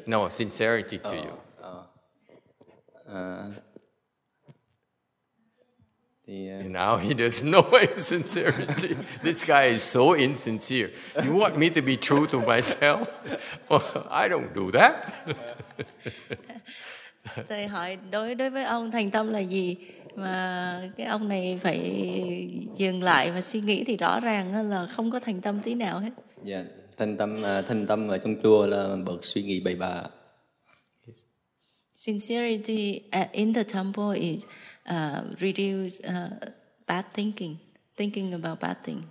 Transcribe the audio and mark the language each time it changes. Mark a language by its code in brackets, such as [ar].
[en] No, sincerity to you. Now he doesn't know what is sincerity. This guy is so insincere. You want me to be true to myself? Well, I don't do that. [vi] Tôi hỏi đối với ông thành tâm là gì? Mà cái ông này phải dừng lại và suy nghĩ thì rõ ràng là không có thành tâm tí nào hết. Yeah, thành tâm ở trong chùa là bậc suy nghĩ bậy bạ. [en] Sincerity in the temple is reduce bad thinking, thinking about bad thing.